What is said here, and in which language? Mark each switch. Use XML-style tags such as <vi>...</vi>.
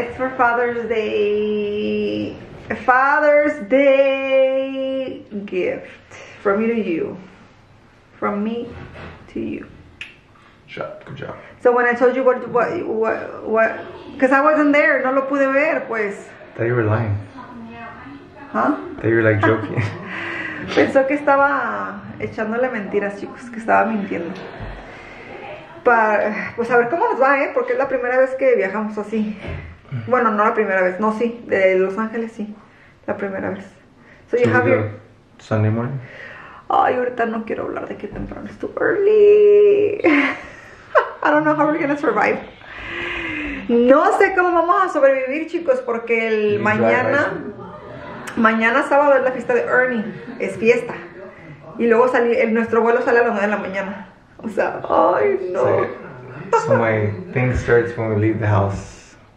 <en>It's for Father's Day. Father's Day gift. From me to you. From me to you. Good job. So when I told you what, because I wasn't there,</en> <es>no lo pude ver, pues.</es> <en>Thought you were lying. Huh? Thought you were like joking.</en> <es>Pensó que estaba echándole mentiras, chicos, que estaba mintiendo. Pues a ver cómo nos va, porque es la primera vez que viajamos así. Bueno, no la primera vez, no, sí, de Los Ángeles, sí, la primera vez.</es> <en>So you have your Sunday morning.</en> <es>Ay, ahorita no quiero hablar de qué temprano.</es> <en>It's too early. I don't know how we're gonna survive.</en> <es>No sé cómo vamos a sobrevivir, chicos, porque el mañana sábado es la fiesta de Ernie. Es fiesta. Y luego nuestro vuelo sale a las 9 de la mañana. O sea, ay, no.</es> <en>So my thing starts when we leave the house.</en>